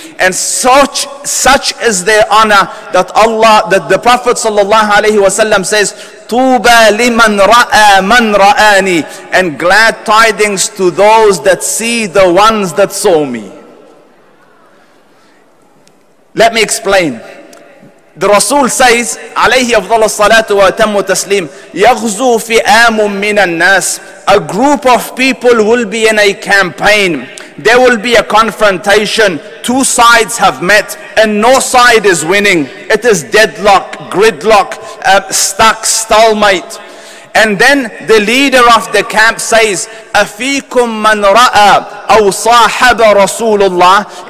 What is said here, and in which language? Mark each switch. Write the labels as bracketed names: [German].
[English] And such is their honor that Allah, that the Prophet sallallahu alaihi wasallam says, [Arabic] "Tuba liman ra'a man ra'ani," [English] and glad tidings to those that see the ones that saw me. Let me explain. The Rasul says, [Arabic] عليه أفضل الصلاة وأتم التسليم, يغزو فئام من الناس. [English] A group of people will be in a campaign. There will be a confrontation. Two sides have met and no side is winning. It is deadlock, gridlock, stuck, stalemate. And then the leader of the camp says, [Arabic] أَفِيكُم مَّن رَأَى أَوْ صَاحَبَ رَسُولُ اللَّهِ.